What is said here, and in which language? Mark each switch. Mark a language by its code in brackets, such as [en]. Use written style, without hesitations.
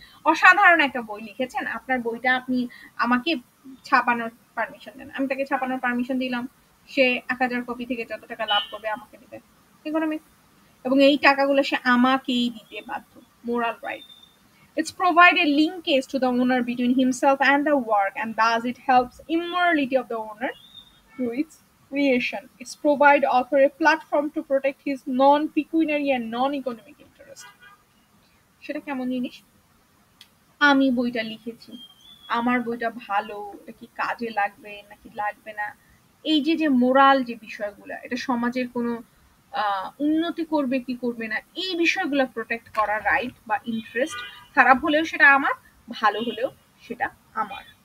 [bn] অসাধারণ একটা বই লিখেছেন, আপনার বইটা আপনি আমাকে ছাপানোর পারমিশন দেন। আমি তাকে ছাপানোর পারমিশন দিলাম, সে 1000 কপি থেকে যত টাকা লাভ করবে আমাকে দিবে ইকোনমিক, এবং এই টাকাগুলো সে আমাকেই দিতে বাধ্য, moral right. [en] It's provided linkage to the owner between himself and the work, and thus it helps immorality of the owner through its creation. It's provide author a platform to protect his non-pecuniary and non-economic interest. [bn] সেটা কেমন জিনিস? আমি বইটা লিখেছি, আমার বইটা ভালো, এটা কি কাজে লাগবে নাকি লাগবে না, এই যে যে মোরাল যে বিষয়গুলো, এটা সমাজের কোনো উন্নতি করবে কি করবে না, এই বিষয়গুলো প্রোটেক্ট করা রাইট বা ইন্টারেস্ট, খারাপ হলেও সেটা আমার, ভালো হলেও সেটা আমার।